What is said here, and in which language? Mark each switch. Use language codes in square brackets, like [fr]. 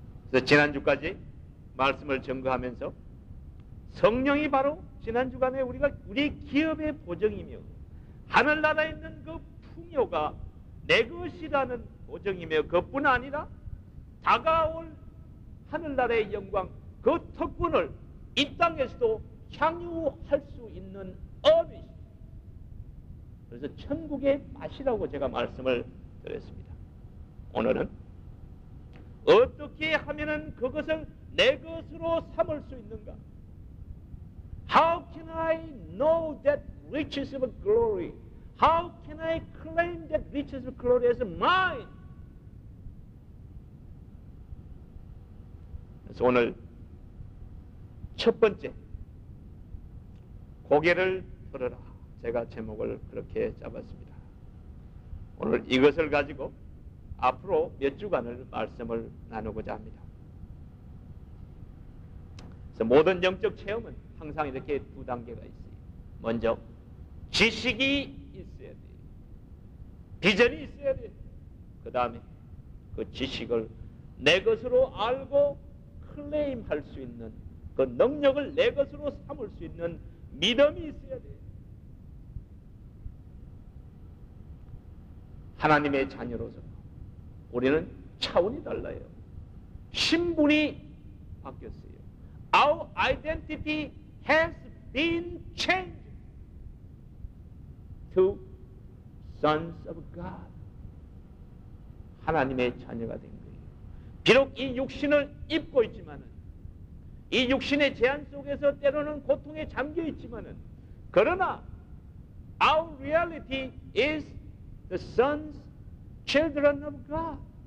[ko] 그래서 지난주까지 말씀을 증거하면서 성령이 바로 지난주간에 우리가 우리 기업의 보정이며 하늘나라에 있는 그 풍요가 내 것이라는 보정이며 그뿐 아니라 다가올 하늘나라의 영광, 그 특권을 이 땅에서도 향유할 수 있는 어미시. 그래서 천국의 맛이라고 제가 말씀을 드렸습니다. 오늘은 어떻게 하면은 그것을 내 것으로 삼을 수 있는가? [en] How can I know that riches of glory? How can I claim that riches of glory as mine? [ko] 그래서 오늘 첫 번째 고개를 들어라 제가 제목을 그렇게 잡았습니다. 오늘 이것을 가지고 앞으로 몇 주간을 말씀을 나누고자 합니다. 그래서 모든 영적 체험은 항상 이렇게 두 단계가 있어요. 먼저 지식이 있어야 돼. 비전이 있어야 돼. 그 다음에 그 지식을 내 것으로 알고 클레임할 수 있는 그 능력을 내 것으로 삼을 수 있는 믿음이 있어야 돼. 하나님의 자녀로서 우리는 차원이 달라요. 신분이 바뀌었어요. [en] Our identity has been changed to sons of God. [ko] 하나님의 자녀가 된 거예요. 비록 이 육신을 입고 있지만은 이 육신의 제한 속에서 때로는 고통에 잠겨 있지만은 그러나 [en] our reality is the sons children of God.